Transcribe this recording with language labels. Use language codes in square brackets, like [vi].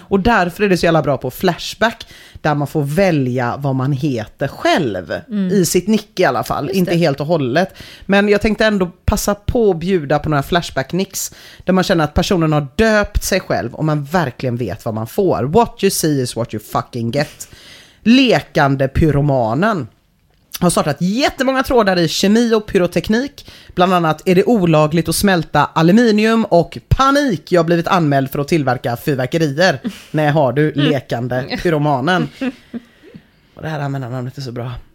[sv] Och därför är det så jävla bra på Flashback, där man får välja vad man heter själv. I sitt nick i alla fall. Just inte det. Helt och hållet. Men jag tänkte ändå passa på att bjuda på några Flashback-nicks där man känner att personen har döpt sig själv och man verkligen vet vad man får. [en] What you see is what you fucking get. [sv] Lekande pyromanen har startat jättemånga trådar i kemi och pyroteknik. Bland annat, är det olagligt att smälta aluminium? Och panik, jag har blivit anmäld för att tillverka fyrverkerier. Nej, har du lekande pyromanen? Och det här använder namnet är så bra.